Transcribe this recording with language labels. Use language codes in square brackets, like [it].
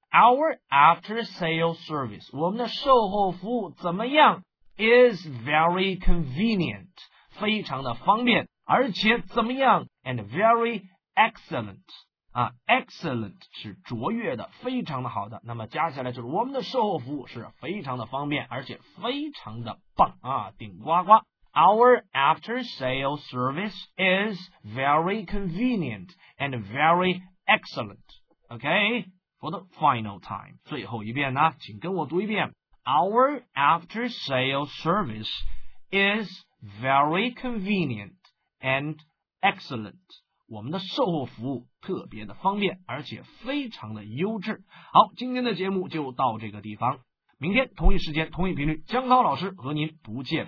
[en] Our after sale service， [zh] 我们的售后服务怎么样 ？ [en] Is very convenient， [zh] 非常的方便，而且怎么样 ？ [en] And very excellent [zh] 啊 ，excellent 是卓越的，非常的好的。那么加起来就是我们的售后服务是非常的方便，而且非常的棒啊，顶呱呱。 [en] Our after sale service is very convenient and very excellent. Okay, for the final time. [zh] 最后一遍呢，请跟我读一遍。 [en] Our after sale service is very convenient and excellent. [zh] 我们的售后服务特别的方便，而且非常的优质。好，今天的节目就到这个地方。明天同一时间，同一频率，江涛老师和您不见